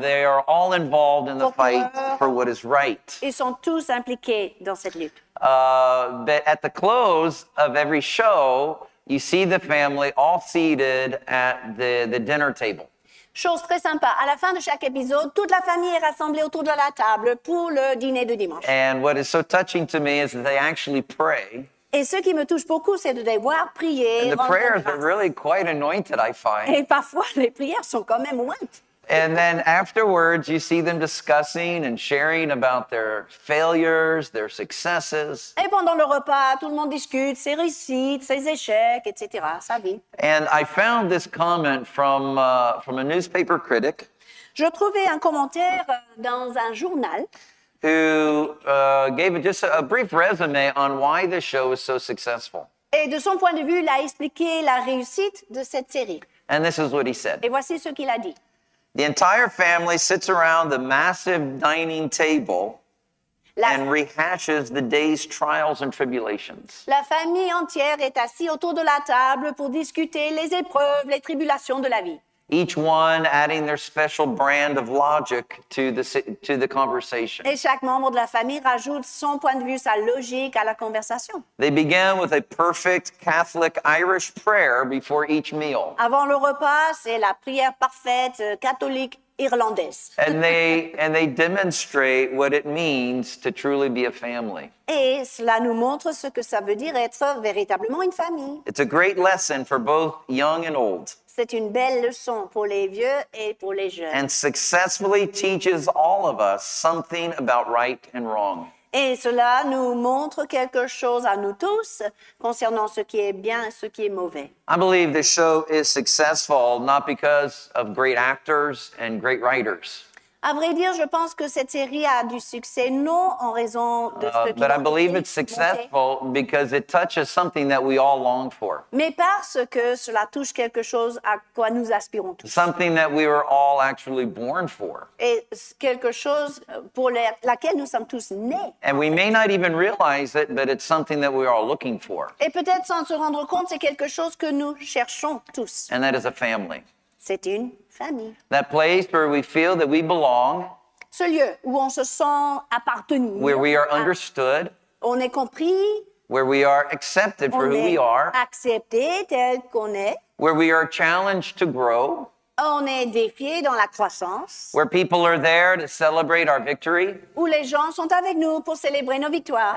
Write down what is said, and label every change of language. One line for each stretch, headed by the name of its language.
English: they are all involved in the fight for what is right.
French: Ils sont tous impliqués dans cette lutte.
English: But at the close of every show, you see the family all seated at the dinner table.
French: Chose très sympa. À la fin de chaque épisode, toute la famille est rassemblée autour de la table pour le dîner de dimanche.
English: And what is so touching to me is that they actually pray.
French: Et ce qui me touche beaucoup, c'est de devoir prier.
English: And the prayers are really quite anointed, I find.
French: Et parfois, les prières sont quand même ointes.
English: And then afterwards, you see them discussing and sharing about their failures, their successes.
French: Et pendant le repas, tout le monde discute ses réussites, ses échecs, etc., sa vie.
English: And I found this comment from a newspaper critic.
French: Je trouvais un commentaire dans un journal.
English: Who gave just a brief resume on why the show is so successful.
French: Et de son point de vue, il a expliqué la réussite de cette série.
English: And this is what he said.
French: Et voici ce qu'il a dit.
English: The entire family sits around the massive dining table and rehashes the day's trials and tribulations.
French: La famille entière est assise autour de la table pour discuter les épreuves, les tribulations de la vie.
English: Each one adding their special brand of logic to the conversation.
French: Et chaque membre de la famille rajoute son point de vue, sa logique à la conversation.
English: They began with a perfect Catholic Irish prayer before each meal.
French: Avant le repas, c'est la prière parfaite catholique irlandaise.
English: And they demonstrate what it means to truly be a family.
French: Et cela nous montre ce que ça veut dire être véritablement une famille.
English: It's a great lesson for both young and old.
French: C'est une belle leçon pour les vieux et pour les jeunes.
English: And successfully teaches all of us something about right and wrong.
French: Et cela nous montre quelque chose à nous tous concernant ce qui est bien et ce qui est mauvais.
English: I believe this show is successful not because of great actors and great writers.
French: À vrai dire, je pense que cette série a du succès non en raison de ce que
English: But I believe it's successful because it touches something that we all long for.
French: Mais parce que cela touche quelque chose à quoi nous aspirons tous.
English: Something that we were all actually born for.
French: Et quelque chose pour laquelle nous sommes tous nés.
English: And we may not even realize it, but it's something that we are looking for.
French: Et peut-être sans se rendre compte, c'est quelque chose que nous cherchons tous.
English: And that is a family.
French: C'est une famille.
English: That place where we feel that we belong.
French: Ce lieu où on se sent appartenu.
English: Where we are understood.
French: On est compris.
English: Where we are accepted for who we are.
French: On est accepté tel qu'on est.
English: Where we are challenged to grow.
French: On est défié dans la croissance.
English: Where people are there to celebrate our victory.
French: Où les gens sont avec nous pour célébrer nos victoires.